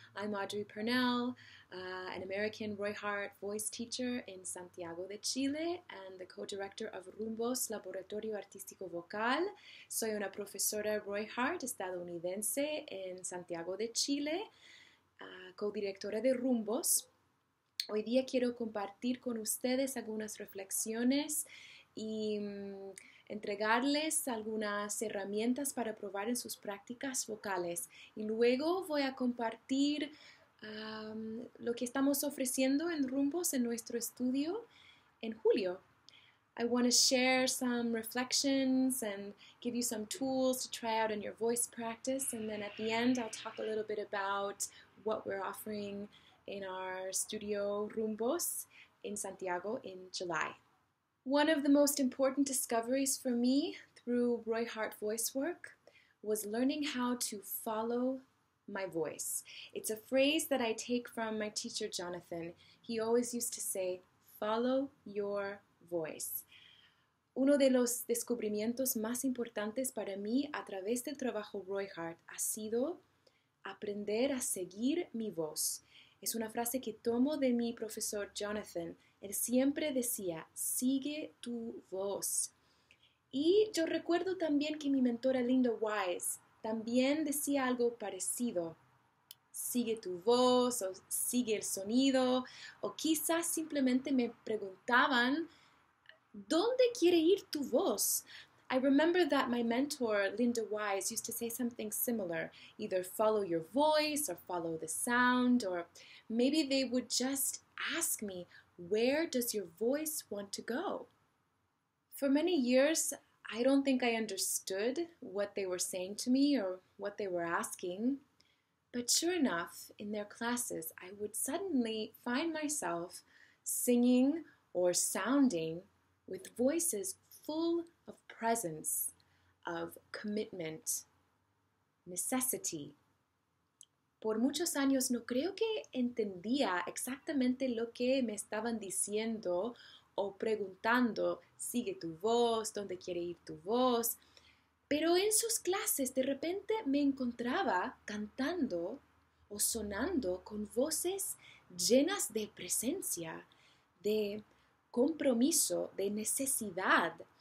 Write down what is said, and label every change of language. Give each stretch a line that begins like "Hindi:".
English: I'm Audrey Pernell, an American Roy Hart voice teacher in Santiago de Chile and the co-director of Rumbo's Laboratorio Artístico Vocal.
Spanish: Soy una profesora Roy Hart, estadounidense en Santiago de Chile, co-directora de Rumbo's. Hoy día quiero compartir con ustedes algunas reflexiones y entregarles algunas herramientas para probar en sus prácticas vocales. Y luego voy a compartir lo que estamos ofreciendo en Rumbos en nuestro estudio en julio.
English: I want to share some reflections and give you some tools to try out in your voice practice. And then at the end, I'll talk a little bit about what we're offering in our studio Rumbos in Santiago in July. One of the most important discoveries for me through Roy Hart voice work was learning how to follow my voice. It's a phrase that I take from my teacher, Jonathan. He always used to say, follow your voice.
Spanish: Uno de los descubrimientos más importantes para mí a través del trabajo Roy Hart ha sido aprender a seguir mi voz. Es una frase que tomo de mi profesor Jonathan. Él siempre decía, sigue tu voz. Y yo recuerdo también que mi mentora Linda Wise también decía algo parecido. Sigue tu voz o sigue el sonido. O quizás simplemente me preguntaban, ¿dónde quiere ir tu voz?
English: I remember that my mentor, Linda Wise, used to say something similar. Either follow your voice or follow the sound, or maybe they would just ask me, where does your voice want to go? For many years, I don't think I understood what they were saying to me or what they were asking. But sure enough, in their classes, I would suddenly find myself singing or sounding with voices full of presence, of commitment, necessity.
Spanish: Por muchos años no creo que entendía exactamente lo que me estaban diciendo o preguntando, sigue tu voz, dónde quiere ir tu voz. Pero en sus clases de repente me encontraba cantando o sonando con voces llenas de presencia, de compromiso, de necesidad.